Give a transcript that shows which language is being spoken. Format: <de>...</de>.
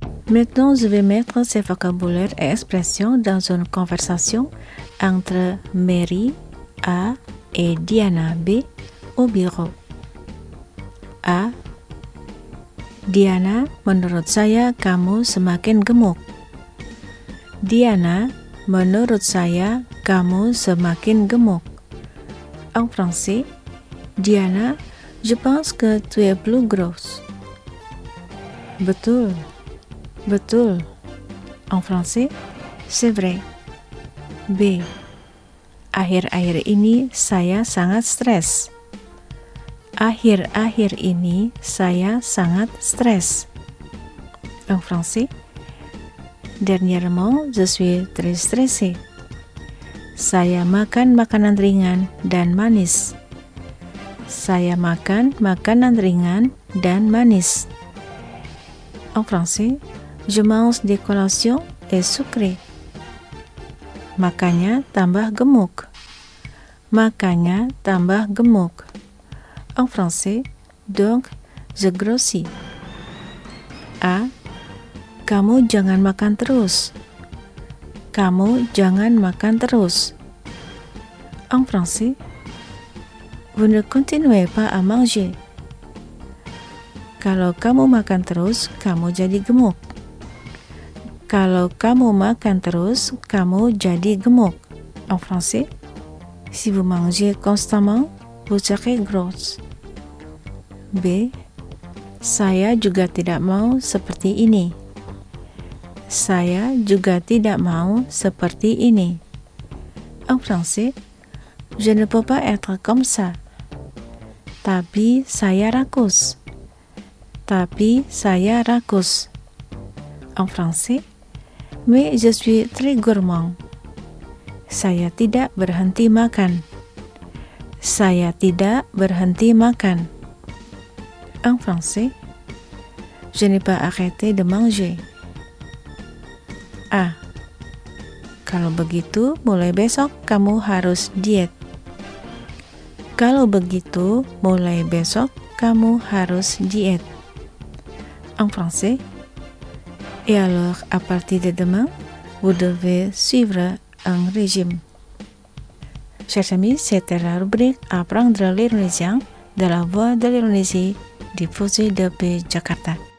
<fr>Maintenant, je vais mettre ces vocabulaires et expressions dans une conversation entre Mary A et Diana B au bureau. A.</fr> <id>Diana, menurut saya kamu semakin gemuk. Diana, menurut saya kamu semakin gemuk.</id> <fr>En français, Diana, je pense que tu es plus grosse.</fr> <id>Betul. Betul.</id> <fr>En français, c'est vrai. B.</fr> <id>Akhir-akhir ini saya sangat stres. Akhir-akhir ini saya sangat stres.</id> <fr>En français, dernièrement, je suis très stressé.</fr> <id>Saya makan makanan ringan dan manis. Saya makan makanan ringan dan manis.</id> <fr>En français, je mange des collations et sucré.</fr> <id>Makanya tambah gemuk. Makanya tambah gemuk.</id> <fr>En français, donc je grossis. A.</fr> <id>Kamu jangan makan terus. Kamu jangan makan terus.</id> <fr>En français, vous ne continuez pas à manger.</fr> <id>Kalau kamu makan terus, kamu jadi gemuk. Kalau kamu makan terus, kamu jadi gemuk.</id> <fr>En français, si vous mangez constamment, vous serez grosse. B.</fr> <id>Saya juga tidak mau seperti ini. Saya juga tidak mau seperti ini.</id> <fr>En français, je ne peux pas être comme ça.</fr> <id>Tapi saya rakus. Tapi saya rakus.</id> <fr>en français, mais je suis très gourmand.</fr> <id>Saya tidak berhenti makan. Saya tidak berhenti makan.</id> <fr>En français, je n'ai pas arrêté de manger.</fr> <id>Ah, kalau begitu, mulai besok kamu harus diet. Kalau begitu, mulai besok kamu harus diet.</id> <fr>En français, et alors à partir de demain, vous devez suivre un régime. Chers amis, c'était la rubrique Apprendre l'Indonésien de la Voix de l'Indonésie, diffusée depuis Jakarta.</fr>